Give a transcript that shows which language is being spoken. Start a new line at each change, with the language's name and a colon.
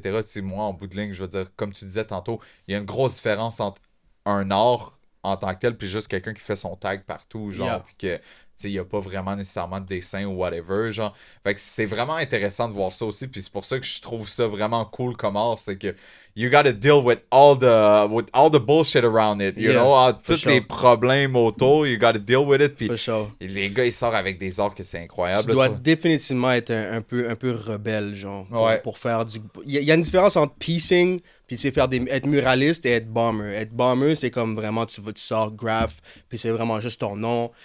French: Tu sais, moi, en bout de ligne, je veux dire, comme tu disais tantôt, il y a une grosse différence entre un art en tant que tel, puis juste quelqu'un qui fait son tag partout, genre, yeah, puis que il n'y a pas vraiment nécessairement de dessin ou whatever. Genre. Fait que c'est vraiment intéressant de voir ça aussi. Puis c'est pour ça que je trouve ça vraiment cool comme art. C'est que
English: you gotta deal with all the bullshit around it. You know?
French: Tous les problèmes autour,
English: you gotta deal with it.
French: Puis les gars, ils sortent avec des arts que c'est incroyable. Tu dois définitivement être un peu rebelle, genre. Pour faire du. Il y a une différence entre piecing. Puis c'est faire être muraliste et être bomber. Être bomber, c'est comme vraiment, tu sors graph, puis c'est vraiment juste ton nom.